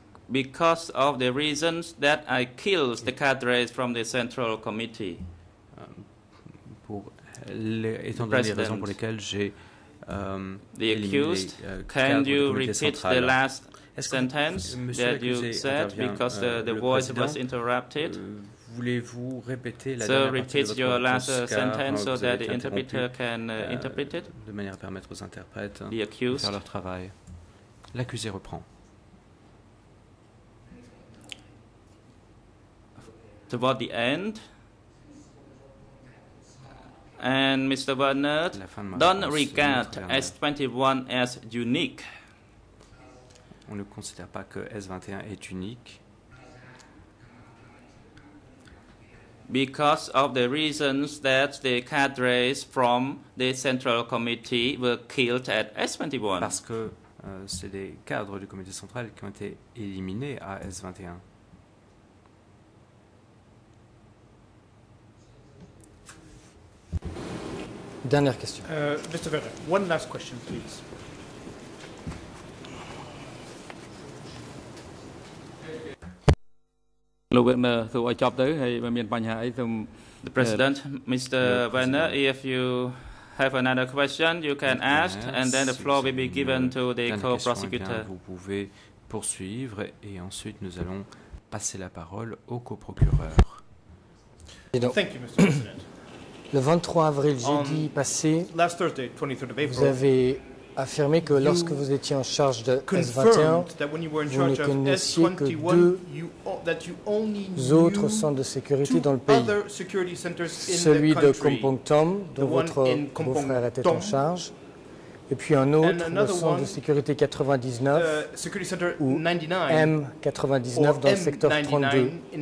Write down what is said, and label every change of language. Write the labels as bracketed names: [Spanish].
[English] Because of the reasons that I killed the cadres from the central committee. [French] Étant donné les raisons pour lesquelles j'ai [English] the accused, can you repeat the last sentence that you said because the voice was interrupted? [French] Voulez-vous répéter la dernière partie de votre [English] your last sentence so that the interpreter can interpret it? [French] De manière à permettre aux interprètes de faire leur travail. L'accusé reprend. [English] Toward the end, and Mr. Werner, don't regard S21 as unique. [French] On ne considère pas que S21 est unique. [English] Because of the reasons that the cadres from the Central Committee were killed at S21. [French] Parce que c'est des cadres du comité central qui ont été éliminés à S21. Dernière question. [English] Mr. Verre, one last question, please. The President, Mr. Werner, if you have another question, you can ask, and then the floor will be given to the co-prosecutor. [French] Vous pouvez poursuivre, et ensuite nous allons passer la parole au co-procureur. [English] Thank you, Mr. President. [French] Le 23 avril, jeudi passé, [English] last Thursday, 23rd of April, [French] vous avez affirmé que lorsque vous étiez en charge de S21, vous ne connaissiez que deux autres centres de sécurité dans le pays, celui de Kompong Thom, dont votre beau-frère était en charge, et puis un autre, le centre de sécurité 99, ou M99 dans le secteur 32.